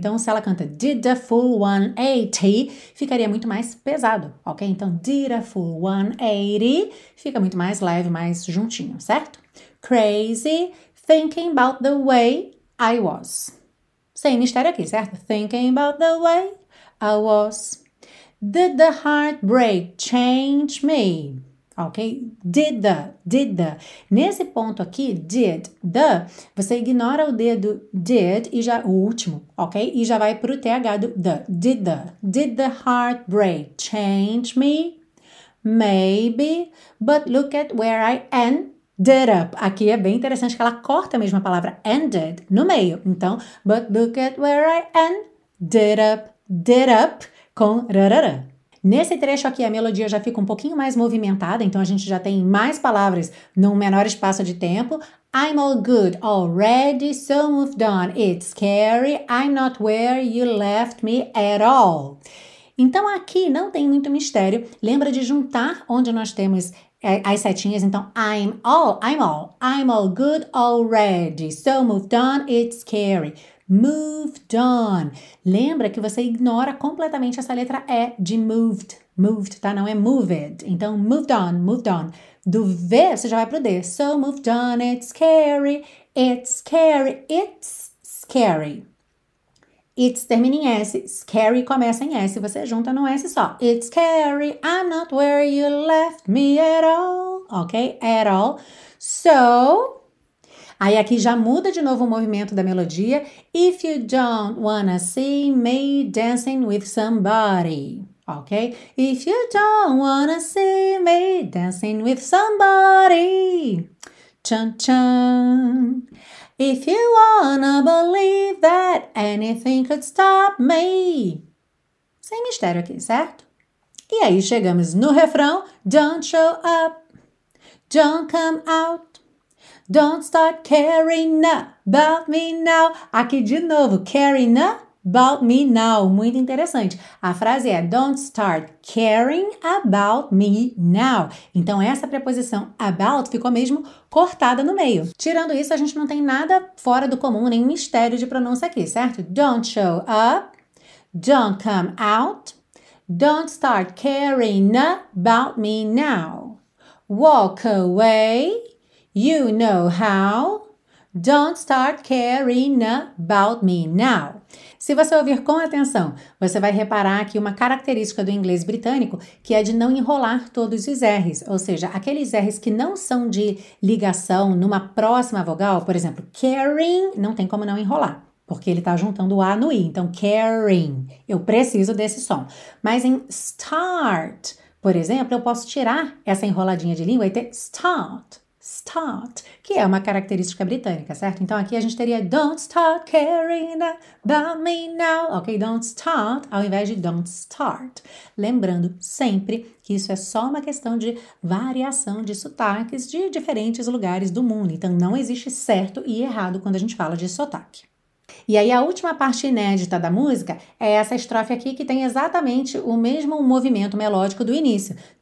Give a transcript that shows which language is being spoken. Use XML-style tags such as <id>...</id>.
<pt>Então, se ela canta</pt> <en>did a full 180,</en> <pt>ficaria muito mais pesado, ok? Então,</pt> <en>did a full 180</en> <pt>fica muito mais leve, mais juntinho, certo?</pt> <en>Crazy, thinking about the way I was.</en> <pt>Sem mistério aqui, certo?</pt> <en>Thinking about the way I was. Did the heartbreak change me? Ok? Did the.</en> <pt>Nesse ponto aqui,</pt> <en>did the,</en> <pt>você ignora o dedo did e já o último, ok? E já vai pro TH do the.</pt> <en>Did the heartbreak change me? Maybe, but look at where I ended up.</en> <pt>Aqui é bem interessante que ela corta mesmo a palavra ended no meio. Então,</pt> <en>but look at where I ended up. Did up com rarara.</en> <pt>Nesse trecho aqui, a melodia já fica um pouquinho mais movimentada, então a gente já tem mais palavras num menor espaço de tempo.</pt> <en>I'm all good, already so moved on. It's scary, I'm not where you left me at all.</en> <pt>Então aqui não tem muito mistério. Lembra de juntar onde nós temos as setinhas. Então,</pt> <en>I'm all good already. So moved on, it's scary. Moved on.</en> <pt>Lembra que você ignora completamente essa letra E de moved.</pt> <en>Moved,</en> <pt>tá? Não é moved. Então,</pt> <en>moved on.</en> <pt>Do V, você já vai pro D.</pt> <en>So moved on, it's scary. It's scary. It's scary. It's</en> <pt>termina em S, scary começa em S, você junta no S só.</pt> <en>It's scary, I'm not where you left me at all, ok? At all.</en> <pt>So, aí aqui já muda de novo o movimento da melodia.</pt> <en>If you don't wanna see me dancing with somebody, ok? If you don't wanna see me dancing with somebody, chan chan. If you wanna believe that anything could stop me.</en> <pt>Sem mistério aqui, certo? E aí chegamos no refrão.</pt> <en>Don't show up. Don't come out. Don't start caring about me now.</en> <pt>Aqui de novo.</pt> <en>Caring about me now.</en> <pt>Muito interessante. A frase é</pt> <en>don't start caring about me now.</en> <pt>Então essa preposição about ficou mesmo cortada no meio. Tirando isso, a gente não tem nada fora do comum, nem mistério de pronúncia aqui, certo?</pt> <en>Don't show up, don't come out, don't start caring about me now. Walk away, you know how. Don't start caring about me now.</en> <pt>Se você ouvir com atenção, você vai reparar aqui uma característica do inglês britânico, que é de não enrolar todos os R's. Ou seja, aqueles R's que não são de ligação numa próxima vogal, por exemplo, caring, não tem como não enrolar, porque ele está juntando o A no I. Então, caring, eu preciso desse som. Mas em</pt> <en>start,</en> <pt>por exemplo, eu posso tirar essa enroladinha de língua e ter start. Start, que é uma característica britânica, certo? Então aqui a gente teria</pt> <en>don't start caring about me now, ok? Don't start,</en> <pt>ao invés de</pt> <en>don't start.</en> <pt>Lembrando sempre que isso é só uma questão de variação de sotaques de diferentes lugares do mundo. Então não existe certo e errado quando a gente fala de sotaque. E aí, a última parte inédita da música é essa estrofe aqui que tem exatamente o mesmo movimento melódico do início.</pt>